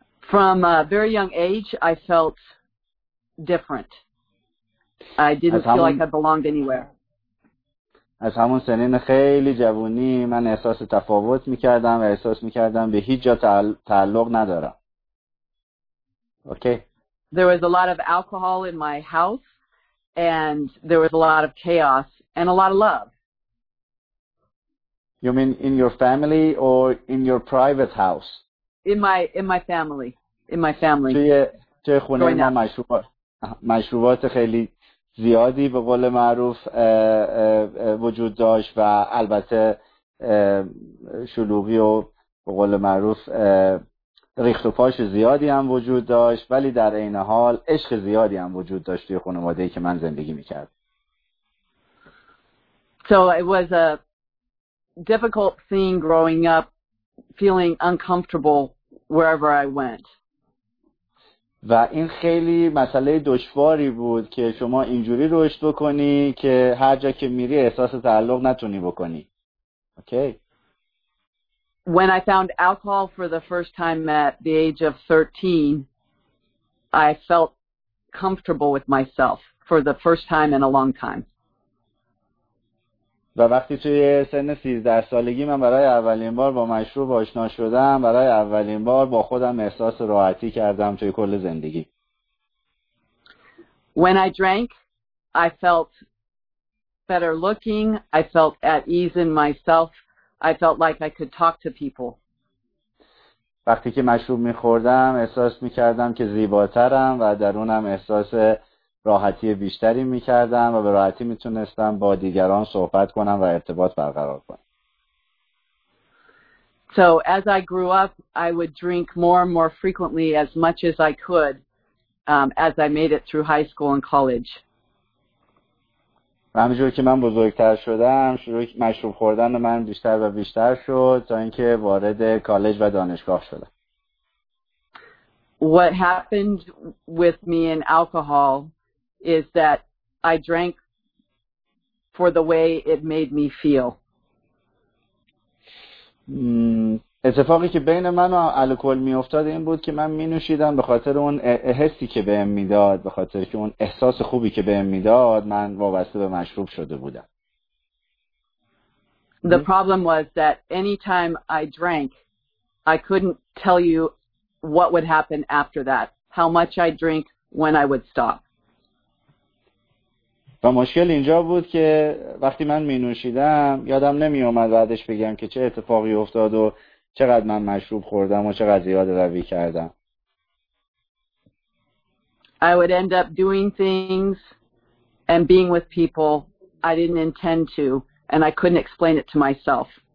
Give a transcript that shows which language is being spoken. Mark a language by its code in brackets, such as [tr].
[en] From a very young age I felt different. I didn't feel like I belonged anywhere. [fa] از همون سنین خیلی جوونی من احساس تفاوت می‌کردم و احساس می‌کردم به هیچ جا تعلق ندارم. [en] Okay. There was a lot of alcohol in my house. And there was a lot of chaos and a lot of love. You mean in your family or in your private house? In my family. [fa] توی خونه ما مشروبات خیلی زیادی به قول معروف وجود داشت و البته شلوغی و به قول معروف ریخت و پاش زیادی هم وجود داشت، ولی در این حال عشق زیادی هم وجود داشت توی خانواده‌ای که من زندگی می‌کرد. [en] So it was a difficult thing growing up feeling uncomfortable wherever I went. [fa] و این خیلی مسئله دشواری بود که شما اینجوری رشد بکنی که هر جا که میری احساس تعلق نتونی بکنی. [en] Okay. When I found alcohol for the first time at the age of 13, I felt comfortable with myself for the first time in a long time. [fa] و وقتی توی سن 13 سالگی من برای اولین بار با مشروب آشنا شدم، برای اولین بار با خودم احساس راحتی کردم توی کل زندگی. [en] When I drank, I felt better looking, I felt at ease in myself. I felt like I could talk to people. [fa] وقتی که مشروب می‌خوردم احساس می‌کردم که زیباترم و درونم احساس راحتی بیشتری می‌کردم و به راحتی می‌تونستم با دیگران صحبت کنم و ارتباط برقرار کنم. [en] So as I grew up, I would drink more and more frequently as much as I could as I made it through high school and college. [fa] و همینجور که من بزرگتر شدم شروع مشروب خوردن من بیشتر و بیشتر شد تا اینکه وارد کالج و دانشگاه شدم. [en] what happened with me in alcohol is that I drank for the way it made me feel. [fa] اتفاقی که بین من و الکل می افتاد این بود که من می نوشیدم به خاطر اون حسی که بهم می داد، به خاطر که اون احساس خوبی که بهم می داد، من وابسته به مشروب شده بودم. [en] The problem was that any time I drank, I couldn't tell you what would happen after that, how much I drink, when I would stop. [fa] و مشکل اینجا بود که وقتی من می نوشیدم یادم نمی اومد بعدش بگم که چه اتفاقی افتاد و چقدر من مشروب خوردم و چقدر زیاد روی کردم. [en] I would end up doing things and being with people I didn't intend to, and I couldn't explain it to myself.